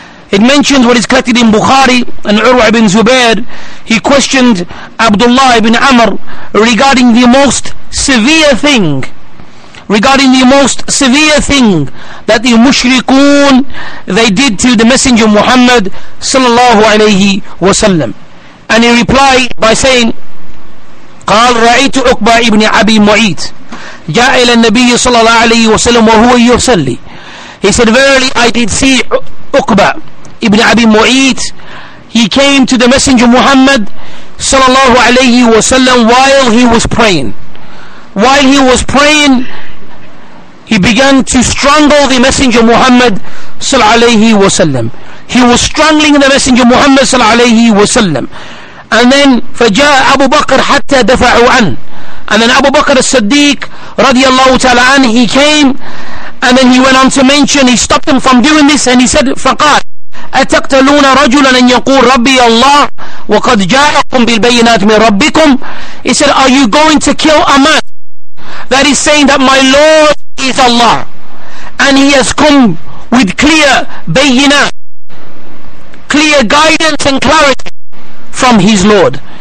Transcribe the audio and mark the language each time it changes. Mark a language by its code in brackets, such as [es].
[en] It mentions what is collected in Bukhari and Urwa ibn Zubair. He questioned Abdullah ibn Amr regarding the most severe thing, regarding the most severe thing that the mushrikun they did to the Messenger Muhammad sallallahu alayhi wasallam. And he replied by saying, [ar] قال رأيت عقبة ابن أبي معيط جاء إلى النبي صلى الله عليه وسلم وهو يصلي. [en] He said, verily I did see عقبة ابن أبي معيط. He came to the Messenger Muhammad [ar] صلى الله عليه وسلم [en] while he was praying. While he was praying, he began to strangle the Messenger Muhammad [ar] صلى الله عليه وسلم. [en] He was strangling the Messenger Muhammad [ar] صلى الله عليه وسلم. [en] And then [ar] فجاء أبو بكر حتى دفعوا عن. [en] And then Abu Bakr al-Siddiq [ar] رضي الله تعالى عنه, [en] he came and then he went on to mention, he stopped him from doing this and he said, [ar] فقال أتقتلون رجلا أن يقول ربي الله وقد جاءكم بالبينات من ربكم. [en] He said, are you going to kill a man that is saying that my Lord is Allah and he has come with clear بينات, clear guidance and clarity from his Lord?